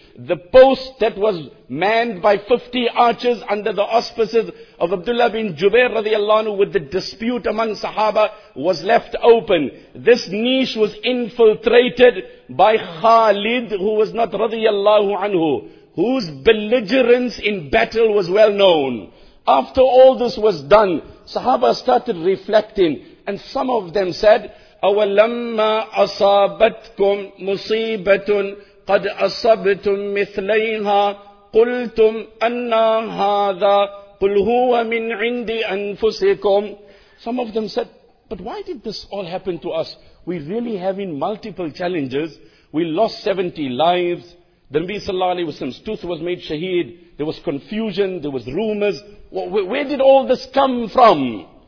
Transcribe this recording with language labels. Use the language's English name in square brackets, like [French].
[English] The post that was manned by 50 archers under the auspices of Abdullah bin Jubair radiallahu anhu with the dispute among Sahaba was left open. This niche was infiltrated by Khalid, who was not radiallahu anhu, whose belligerence in battle was well known. After all this was done, Sahaba started reflecting, and some of them said, [Arabic] أَوَلَمَّا أَصَابَتْكُمْ مُصِيبَةٌ قَدْ أَصَبْتُمْ مِثْلَيْهَا قُلْتُمْ أَنَّا هَذَا قُلْ هُوَ مِنْ عِنْدِ أَنفُسِكُمْ. [English] Some of them said, but why did this all happen to us? We really having multiple challenges. We lost 70 lives. The Nabi sallallahu alayhi wa sallam's tooth was made shaheed. There was confusion. There was rumors. Where did all this come from?